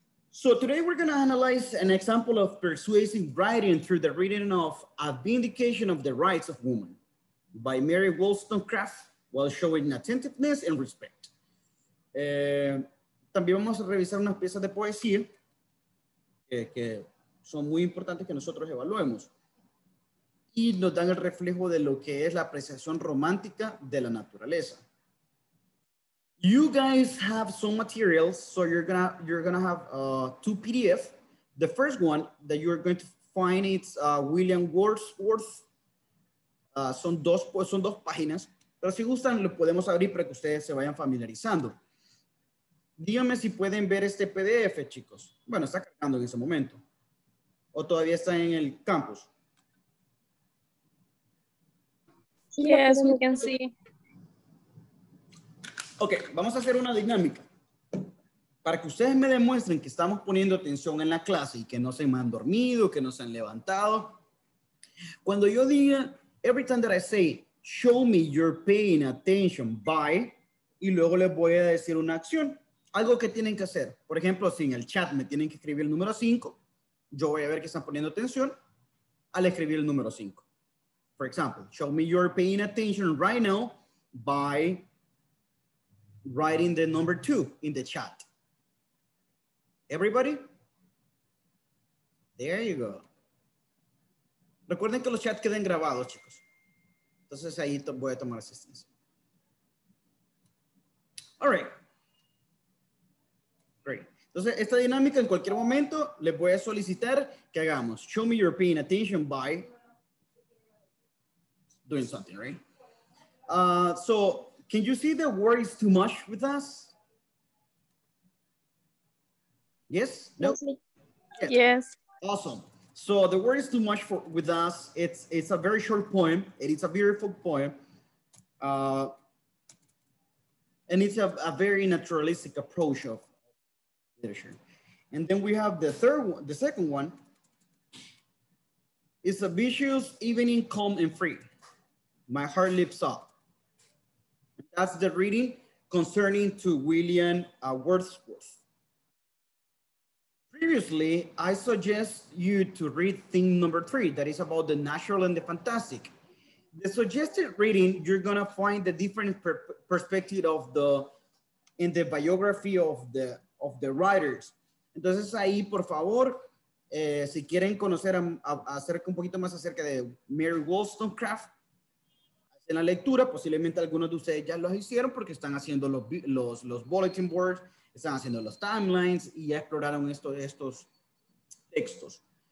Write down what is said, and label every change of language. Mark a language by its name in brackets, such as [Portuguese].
[English] So today we're going to analyze an example of persuasive writing through the reading of A Vindication of the Rights of Woman by Mary Wollstonecraft while showing attentiveness and respect. [Spanish] También vamos a revisar unas piezas de poesía que son muy importantes que nosotros evaluemos y nos dan el reflejo de lo que es la apreciación romántica de la naturaleza. [English] You guys have some materials, so you're gonna have two PDFs. The first one that you're going to find is William Wordsworth. [Spanish] Son dos páginas, pero si gustan lo podemos abrir para que ustedes se vayan familiarizando. Díganme si pueden ver este PDF, chicos. Bueno, está cargando en ese momento. ¿O todavía está en el campus? [English] Yes, we can see. [Spanish] Ok, vamos a hacer una dinámica. para que ustedes me demuestren que estamos poniendo atención en la clase y que no se me han dormido, que no se han levantado. Cuando yo diga, [English] every time that I say, show me you're paying attention, bye, [Spanish] y luego les voy a decir una acción, algo que tienen que hacer. Por ejemplo, si en el chat me tienen que escribir el número 5, yo voy a ver que están poniendo atención al escribir el número 5. [English] For example, show me you're paying attention right now by writing the number 2 in the chat. Everybody? There you go. [Spanish] Recuerden que los chats queden grabados, chicos. Entonces ahí voy a tomar asistencia. [English] All right. Great. [Spanish] Entonces, esta dinámica en cualquier momento les voy a solicitar que hagamos. [English] Show me your paying attention by doing something, right? So, can you see the word is too much with us? Yes? No? Yes. Yeah. Awesome. So the word is too much for with us. It's a very short poem. It is a beautiful poem. And it's a very naturalistic approach of literature. And then we have the third one, the second one. It's a vicious evening, calm and free. My heart lifts up. That's the reading concerning to William Wordsworth. Previously, I suggest you to read thing number 3, that is about the natural and the fantastic. The suggested reading, you're gonna find the different perspective of the, in the biography of the writers. [Spanish] Entonces ahí, por favor, si quieren conocer acerca un poquito más acerca de Mary Wollstonecraft, en la lectura, posiblemente algunos de ustedes ya los hicieron porque están haciendo los bulletin boards, están haciendo los timelines y ya exploraron estos textos.